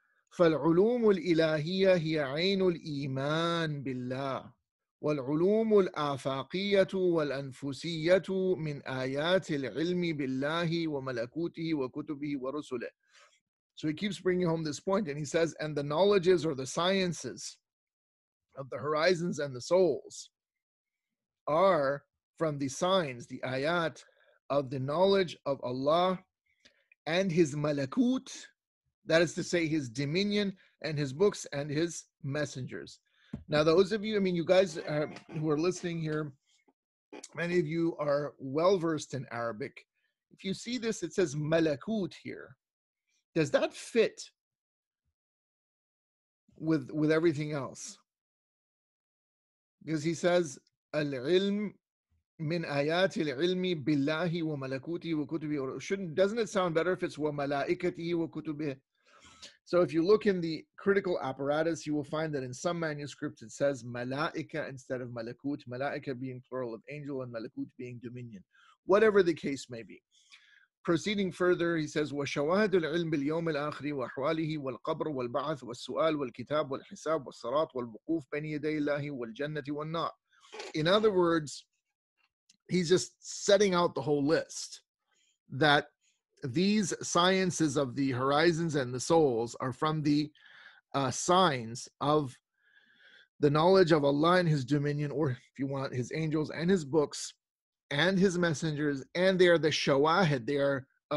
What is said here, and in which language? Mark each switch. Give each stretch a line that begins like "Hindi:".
Arabic: فالعلوم الإلهية هي عين الإيمان بالله والعلوم الآفاقية والأنفسية من آيات العلم بالله وملكوته وكتبه ورسله.
English: So he keeps bringing home this point, and he says, and the knowledges or the sciences of the horizons and the souls are from the signs, the ayat, of the knowledge of Allah and his malakut, that is to say his dominion and his books and his messengers. Now, those of you, I mean, you guys who are listening here, many of you are well-versed in Arabic. If you see this, it says malakut here. Does that fit with everything else? Because he says,
Arabic: al-ilm min ayati al-ilmi billahi wa malakuti wa kutubi.
English: Doesn't it sound better if it's
Arabic: wa malaikati wa kutubi?
English: So if you look in the critical apparatus, you will find that in some manuscripts it says malaika instead of malakut, malaika being plural of angel and malakut being dominion, whatever the case may be. Proceeding further, he says,
Arabic: وَشَوَاهَدُ الْعِلْمِ بِالْيَوْمِ الْآخْرِ وَأَحْوَالِهِ وَالْقَبْرُ وَالْبَعْثُ وَالسُّؤَالُ وَالْكِتَابُ وَالْحِسَابُ وَالصَّرَاطُ وَالْوُقُوفُ بَيْنِ يَدَيِ اللَّهِ وَالْجَنَّةِ وَالنَّارِ.
English: In other words, he's just setting out the whole list that these sciences of the horizons and the souls are from the signs of the knowledge of Allah and his dominion, or if you want, his angels and his books and his messengers, and they are the shawahid, they are